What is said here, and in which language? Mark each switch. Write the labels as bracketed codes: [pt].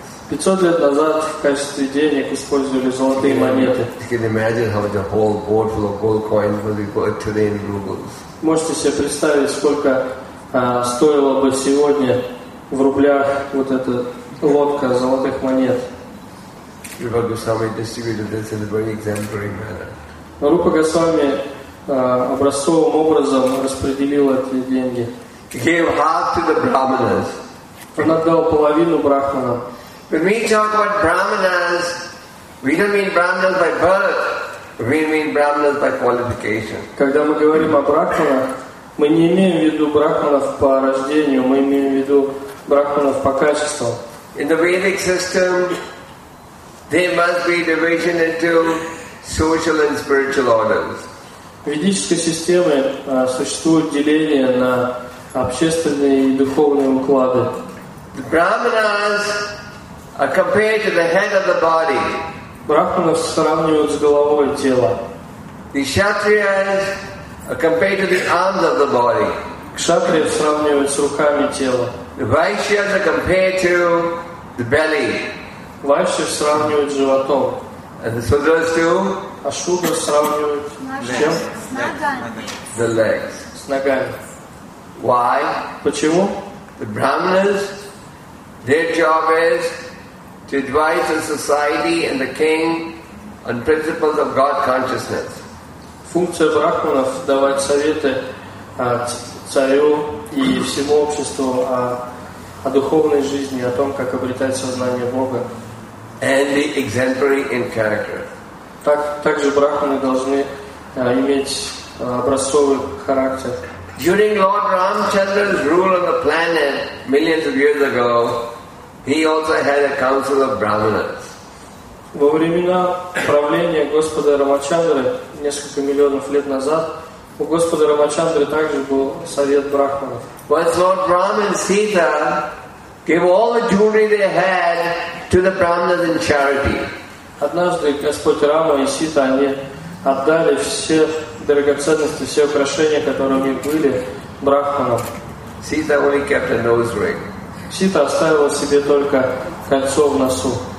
[ru] 500 лет назад в качестве денег использовали золотые монеты. [en] You can imagine how the whole board full of gold coins would be worth today in rubles. [ru] Можете себе представить, сколько стоило бы сегодня в рублях вот эта лодка золотых монет. [en] Rupa Goswami distributed this in a very exemplary manner. [ru] Рупа Госвами образцовым образом распределил эти деньги. [en] He gave half to the brahmanas. [ru] Он отдал половину брахманам. [en] When we talk about brahmanas, we don't mean brahmanas by birth. We mean brahmanas by qualification. [ru] Когда мы говорим о брахманах, мы не имеем в виду брахманов по рождению, мы имеем в виду брахманов по качеству. [en] In the Vedic system, there must be division into social and spiritual orders. [ru] В ведической системе существует деление на общественные и духовные уклады. [en] The brahmanas are compared to the head of the body. [ru] Брахманов сравнивают с головой тела. [en] The kshatriyas are compared to the arms of the body. [ru] Кшатриев сравнивают с руками тела. [en] The vaishyas are compared to the belly. [ru] Вайшьев сравнивают с животом. [en] And the sudras too? [ru] А шудры сравнивают с чем? [en] The legs. [ru] С ногами. [en] Why? [ru] Почему? [en] The brahmanas, their job is to advise the society and the king on principles of God consciousness. [ru] Функция брахманов – давать советы царю и всему обществу о духовной жизни, о том, как обретать сознание Бога. [en] And be exemplary in character. [ru] Также брахманы должны иметь образцовый характер. [en] During Lord Ramchandra's rule on the planet millions of years ago, he also had a council of brahmanas. [ru] Во времена правления Господа Рамачандры несколько миллионов лет назад у Господа Рамачандры также был совет брахманов. [en] Once Lord Ram and Sita gave all the jewelry they had to the brahmanas in charity. [ru] Однажды Господь Рама и Сита они отдали все драгоценности, все украшения, которые у них были, брахманам. [en] Sita only kept a nose ring. [ru] Сита оставила себе только кольцо в носу.